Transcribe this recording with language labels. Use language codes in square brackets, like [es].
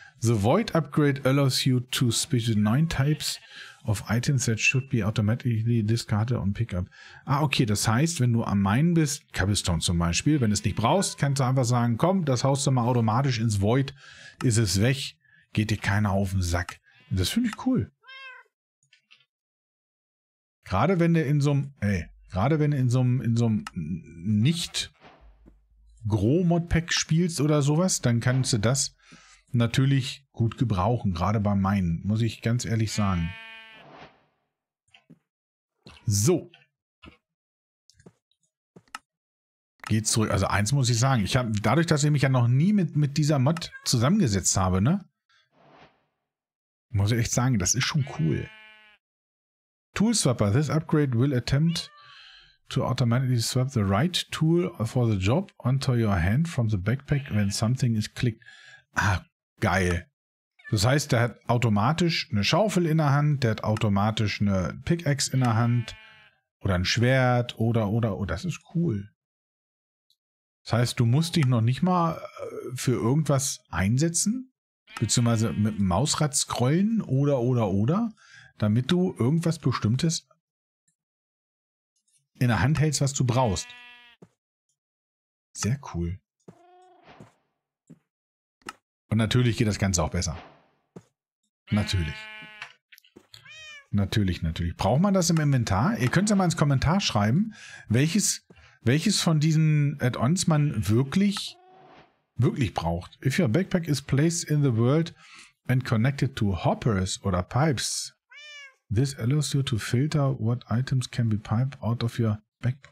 [en] The Void Upgrade allows you to special 9 types of items that should be automatically discarded on pickup. [de] Ah, okay, das heißt, wenn du am Main bist, Cobblestone zum Beispiel, wenn du es nicht brauchst, kannst du einfach sagen, komm, das haust du mal automatisch ins Void, ist es weg, geht dir keiner auf den Sack. Das finde ich cool. Gerade wenn du in so einem nicht Gro-Modpack spielst oder sowas, dann kannst du das natürlich gut gebrauchen, gerade bei meinen, muss ich ganz ehrlich sagen. So. Geht zurück. Also eins muss ich sagen. Dadurch, dass ich mich ja noch nie mit dieser Mod zusammengesetzt habe, ne? Muss ich echt sagen, das ist schon cool. [en] Tool Swapper. This upgrade will attempt to automatically swap the right tool for the job onto your hand from the backpack when something is clicked. [de] Ah, geil. Das heißt, der hat automatisch eine Schaufel in der Hand, der hat automatisch eine Pickaxe in der Hand oder ein Schwert oder. Das ist cool. Das heißt, du musst dich noch nicht mal für irgendwas einsetzen, beziehungsweise mit dem Mausrad scrollen oder, damit du irgendwas Bestimmtes in der Hand hältst, was du brauchst. Sehr cool. Und natürlich geht das Ganze auch besser. Natürlich. Natürlich, natürlich. Braucht man das im Inventar? Ihr könnt es ja mal ins Kommentar schreiben, welches von diesen Add-ons man wirklich braucht. [en] If your backpack is placed in the world and connected to hoppers oder pipes, this allows you to filter what items can be piped out of your backpack.